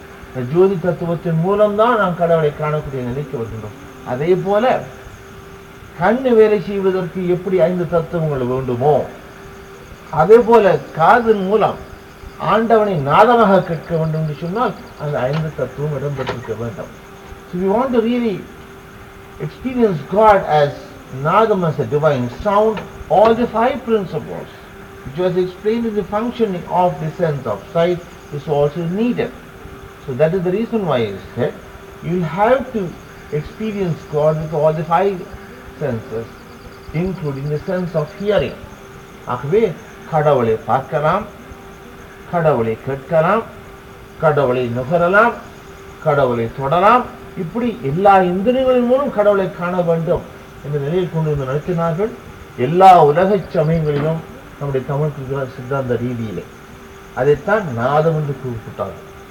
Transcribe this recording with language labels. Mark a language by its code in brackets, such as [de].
[ta] இந்த ஜோதி தத்துவத்தின் மூலம்தான் நாம் கடவுளை காணக்கூடிய நிலைக்கு வருகின்றோம். அதே போல கண்ணு வேலை செய்வதற்கு எப்படி ஐந்து தத்துவங்கள் வேண்டுமோ, அதே போல காதின் மூலம் ஆண்டவனை நாதமாக கேட்க வேண்டும் என்று சொன்னால் அந்த ஐந்து தத்துவம் இடம்பெற்றிருக்க வேண்டும். [en] So we want to really experience God as Nadam as a divine sound, all the five principles which was explained in the functioning of the sense of sight is also needed. So that is the reason why he said, you will have to experience God with all the five senses, including the sense of hearing. [ta] ஆகவே கடவுளை பார்க்கலாம், கடவுளை கேட்கலாம், கடவுளை நுகரலாம், கடவுளை தொடலாம், இப்படி எல்லா இந்திரியங்களின் மூலம் கடவுளை காண வேண்டும் என்ற நிலையில் கொண்டு வந்து நடத்தினார்கள். எல்லா உலக சமயங்களிலும் நம்முடைய தமிழ் சித்தாந்த ரீதியிலே அதைத்தான் நாதம் என்று கூறப்பட்டார்கள்.